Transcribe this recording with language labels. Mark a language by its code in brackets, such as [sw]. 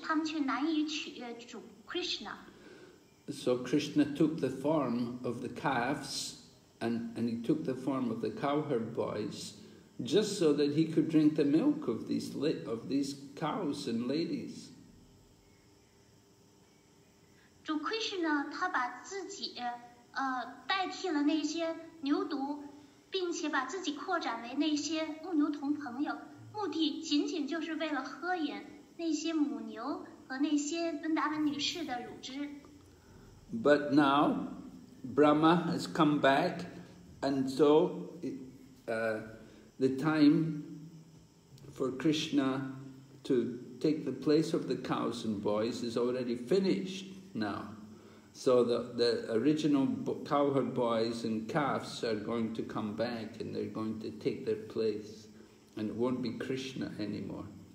[zh] 伟大的圣哲们以及伟大的半神人们，他们特别擅长满足世人，但是他们却难以取悦主Krishna. [en] So Krishna took the form of the calves, and he took the form of the cowherd boys, just so that he could drink the milk of these cows and ladies. [zh] 主 Krishna 他把自己代替了那些牛犊，并且把自己扩展为那些牧牛童朋友，目的仅仅就是为了喝饮那些母牛和那些温达文女士的乳汁。 [en] But now, Brahma has come back, and so, the time for Krishna to take the place of the cows and boys is already finished now. So the original cowherd boys and calves are going to come back and they're going to take their place, and it won't be Krishna anymore.